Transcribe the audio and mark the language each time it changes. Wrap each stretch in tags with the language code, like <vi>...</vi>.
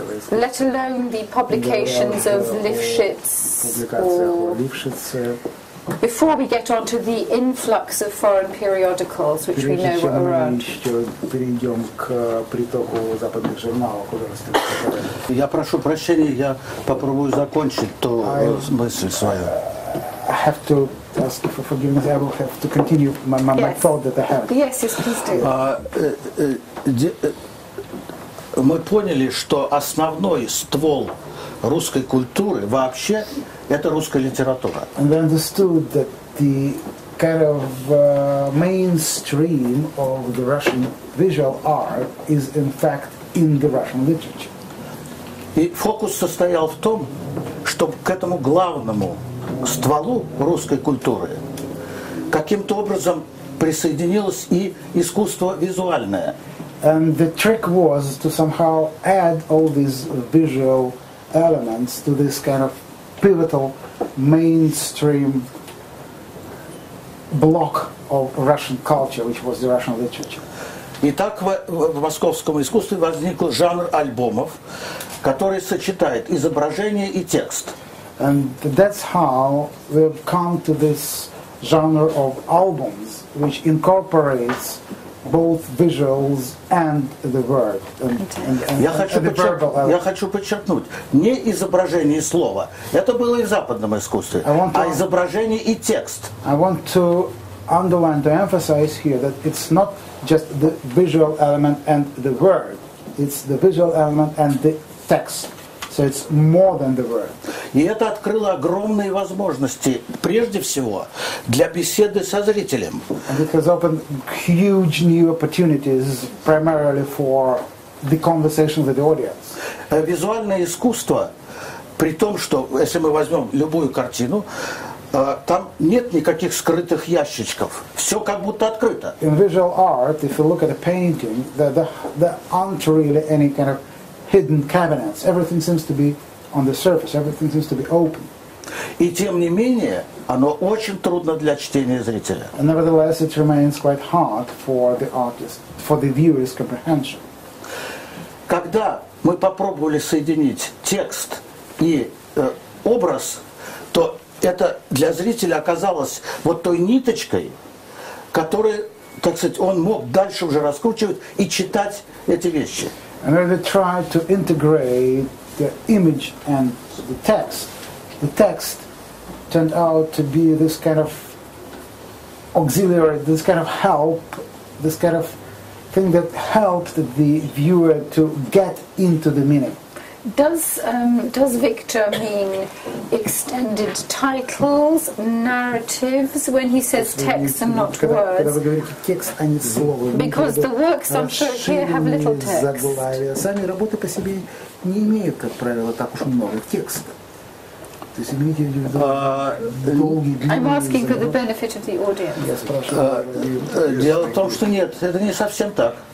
<en>Let alone the publications of Lifshitz. Before we get on to the influx of foreign periodicals, which we know were around.</en> <ru>Еще перейдем к притоку западных журналов художественных. Я прошу прощения, я попробую закончить ту мысль свою.</ru> <en>I have to ask for forgiveness. I will have to continue my thought that I have. Yes, please do.</en> <ru>Мы поняли, что основной ствол русской культуры вообще это русская литература.</ru> <en>And we understood that the kind of mainstream of the Russian visual art is in fact in the Russian literature.</en> <ru>И фокус состоял в том, чтобы к этому главному стволу русской культуры каким-то образом присоединилось и искусство визуальное.</ru> <en>And the trick was to somehow add all these visual elements to this kind of pivotal mainstream block of Russian culture, which was the Russian literature.</en> <ru>И так в московском искусстве возник жанр альбомов, который сочетает изображение и текст.</ru> <en>And that's how we've come to this genre of albums, which incorporates both visuals and the word.</en> <ru>Я хочу подчеркнуть, не изображение и слово. Это было и в западном искусстве, а изображение и текст.</ru> <en>I want to underline, to emphasize here that it's not just the visual element and the word. It's the visual element and the text. So it's more than the word.</en> <ru>И это открыло огромные возможности, прежде всего, для беседы со зрителем.</ru> <en>And it has opened huge new opportunities, primarily for the conversation with the audience.</en> <ru>Визуальное искусство, при том, что, если мы возьмем любую картину, там нет никаких скрытых ящичков. Все как будто открыто.</ru> <en>In visual art, if you look at a painting, there aren't really any kind of hidden cabinets. Everything seems to be on the surface. Everything seems to be open.</en> <ru>И тем не менее, оно очень трудно для чтения зрителя.</ru> <en>And nevertheless, it remains quite hard for the artist, for the viewer's comprehension.</en> <ru>Когда мы попробовали соединить текст и образ, то это для зрителя оказалось вот той ниточкой, которую, так сказать, он мог дальше уже раскручивать и читать эти вещи.</ru> <en>And when we try to integrate the image and the text turned out to be this kind of auxiliary, this kind of help, this kind of thing that helped the viewer to get into the meaning. Does Victor mean extended titles, narratives when he says text and not words? Because the works I'm sure here have little text.</en> <ru>Сами работы по себе не имеют, как правило, так уж много текста. То есть имеете в виду долгие, длинные.</ru> <en>I'm asking for the benefit of the audience.</en> <ru>Дело в том, что нет, это не совсем так.</ru>